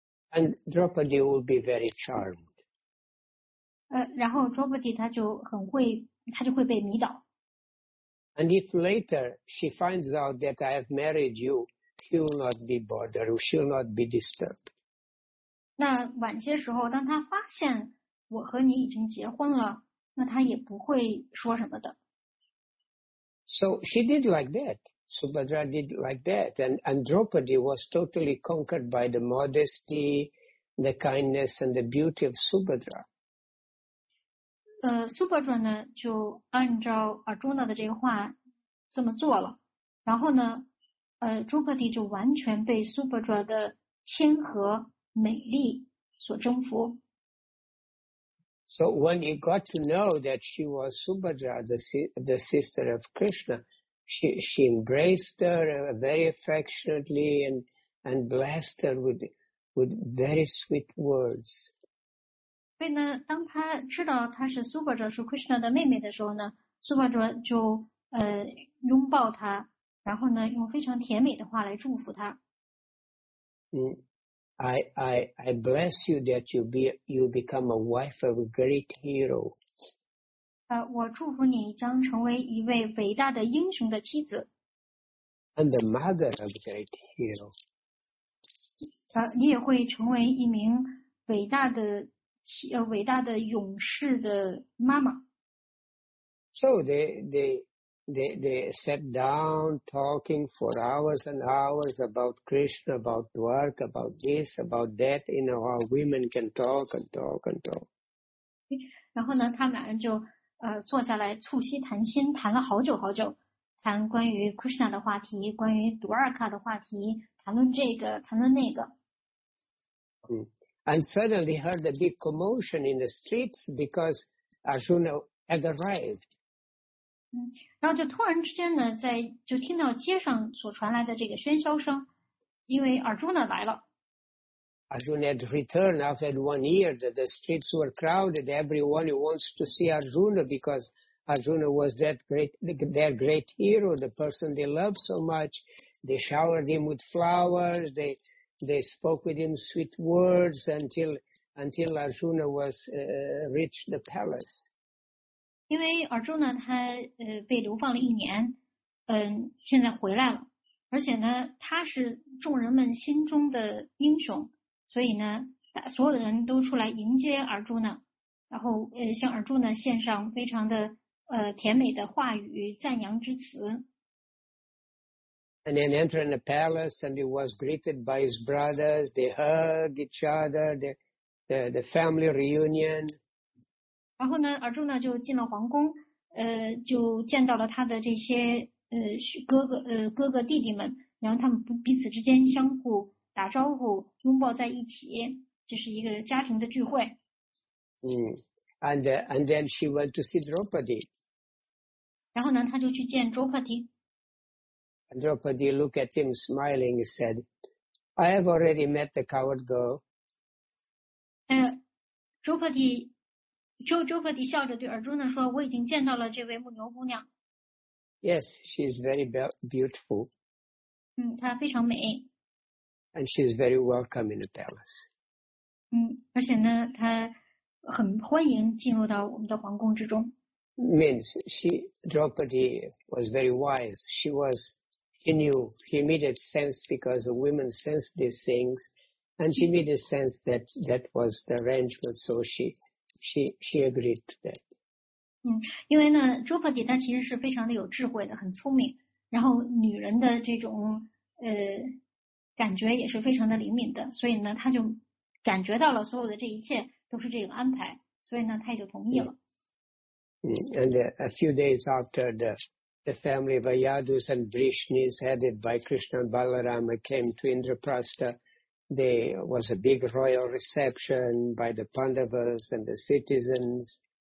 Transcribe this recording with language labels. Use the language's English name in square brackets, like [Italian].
[English] And Draupadi will be very charmed. [Chinese] 然后 Draupadi 他就会被迷倒。 [English] And if later she finds out that I have married you, she will not be bothered, she will not be disturbed. [Chinese] 那晚些时候当他发现我和你已经结婚了，那他也不会说什么的。 [English] So she did like that. Subhadra did like that. And Draupadi was totally conquered by the modesty, the kindness, and the beauty of Subhadra. [Chinese] Subhadra 呢就按照 Arjuna 的这个话这么做了。然后呢Draupadi 就完全被 Subhadra 的谦和美丽所征服。 [English] So when he got to know that she was Subhadra, the sister of Krishna, she embraced her very affectionately and blessed her with very sweet words. [Chinese] 所以呢，当他知道她是 Subhadra， 是 Krishna 的妹妹的时候呢 ，Subhadra 就拥抱她，然后呢，用非常甜美的话来祝福她。 [English] I bless you that you become a wife of a great hero. [Chinese] 我祝福你将成为一位伟大的英雄的妻子。 [English] And the mother of a great hero. [Chinese] 你也会成为一名伟大的勇士的妈妈。 [English] So they sat down talking for hours and hours about Krishna, about Dwarka, about this, about that, you know, how women can talk and talk and talk. [Chinese] 然后呢他们俩人就坐下来促膝谈心，谈了好久好久，谈关于 Krishna 的话题，关于 Dwarka 的话题，谈论这个，谈论那个。 [English] And suddenly heard a big commotion in the streets because Arjuna had arrived. [Chinese] 然后就突然之间呢，就听到街上所传来的这个喧嚣声，因为 Arjuna 来了。 [English] Arjuna had returned after 1 year, that the streets were crowded. Everyone wants to see Arjuna because Arjuna was that great, their great hero, the person they loved so much. They showered him with flowers. They spoke with him sweet words until Arjuna was reached the palace. [Chinese] 因为 Arjuna 他被流放了一年，现在回来了，而且呢，他是众人们心中的英雄，所以呢，所有的人都出来迎接 Arjuna， 然后向 Arjuna 献上非常的甜美的话语、赞扬之词。 [English] And then enter in the palace, and he was greeted by his brothers. They hug each other. The family reunion. [Chinese] 然后呢，尔朱呢就进了皇宫，就见到了他的这些哥哥弟弟们，然后他们彼此之间相互打招呼，拥抱在一起，这是一个家庭的聚会。 [English] 嗯、and then she went to see Draupadi. [Chinese] 然后呢，他就去见 Draupadi。 [English] And Draupadi looked at him smiling. He said, "I have already met the coward girl." [Chinese] Draupadi 笑着对 Arjuna 说，我已经见到了这位牧牛姑娘。 [English] Yes, she is very beautiful. [Chinese] 她非常美。 [English] And she is very welcome in the palace. [Chinese] 而且呢，她很欢迎进入到我们的皇宫之中。 [English] Means she, Draupadi was very wise. She knew, she immediately sensed because the women sensed these things, and she made a sense that that was the arrangement, so she agreed to that. [Chinese] 因为呢，朱佛迪他其实是非常的有智慧的，很聪明，然后女人的这种感觉也是非常的灵敏的，所以呢，他就感觉到了所有的这一切都是这种安排，所以呢，他也就同意了。 [English] And a few days after the family of Ayadus and Vrishnis headed by Krishna and Balarama came to Indraprastha. There was a big royal reception by the Pandavas and the citizens.